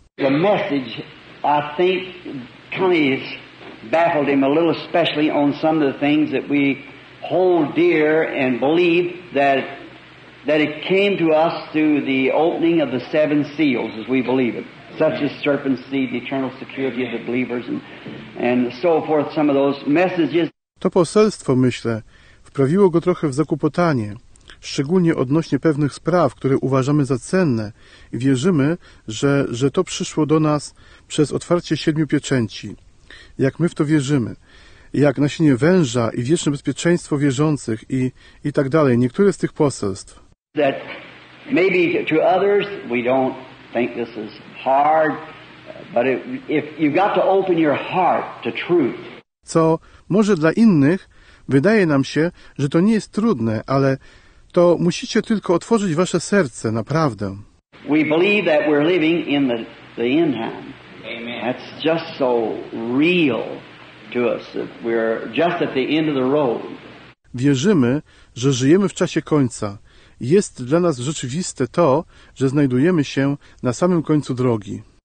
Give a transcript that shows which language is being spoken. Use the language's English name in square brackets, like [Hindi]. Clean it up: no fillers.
[English] The message, I think, kind of baffled him a little, especially on some of the things that we hold dear and believe that it came to us through the opening of the seven seals, as we believe it, such as serpent seed, the eternal security of the believers, and so forth, some of those messages. [Polish] To poselstwo, myślę, wprawiło go trochę w zakłopotanie, szczególnie odnośnie pewnych spraw, które uważamy za cenne i wierzymy, że to przyszło do nas przez otwarcie siedmiu pieczęci. Jak my w to wierzymy, jak nasienie węża i wieczne bezpieczeństwo wierzących i tak dalej, niektóre z tych poselstw. [English] That maybe to others we don't think this is hard, but if you've got to open your heart to truth. [Polish] Co może dla innych wydaje nam się, że to nie jest trudne, ale to musicie tylko otworzyć wasze serce naprawdę. [English] We believe that we're living in the end time. Amen. That's just so real to us. We're just at the end of the road. [Polish] Wierzymy, że żyjemy w czasie końca. Jest dla nas rzeczywiste to, że znajdujemy się na samym końcu drogi.